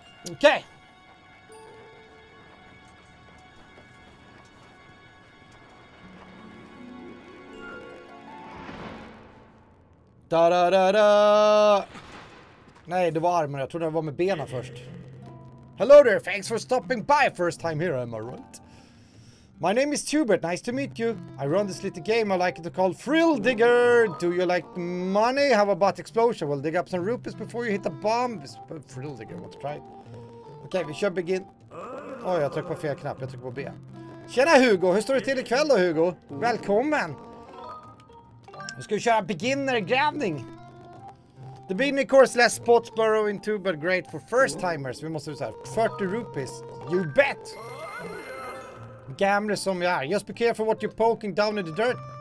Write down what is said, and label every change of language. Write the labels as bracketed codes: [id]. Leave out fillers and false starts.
[sv] Okej! Da-da-da-da! Nej, det var armen. Jag trodde det var med benen först. [en] Hello there, thanks for stopping by. First time here, am I right? My name is Tubert, nice to meet you. I run this little game I like to call Thrill Digger. Do you like money? How about explosion? We'll dig up some rupees before you hit the bomb. Thrill Digger, let's try it. [sv] Okej, okay, vi kör begin. Oj, jag tryckte på fel knapp. Jag tryckte på B. Tjena Hugo, hur står det till ikväll då Hugo? Välkommen. Nu ska vi köra beginner-grävning. [en] The beginning course less spots burrow in two, but great for first timers. [sv] Vi måste säga 40 rupees. [en] You bet! [sv] Gamble som jag är. [en] Just be careful what you're poking down in the dirt.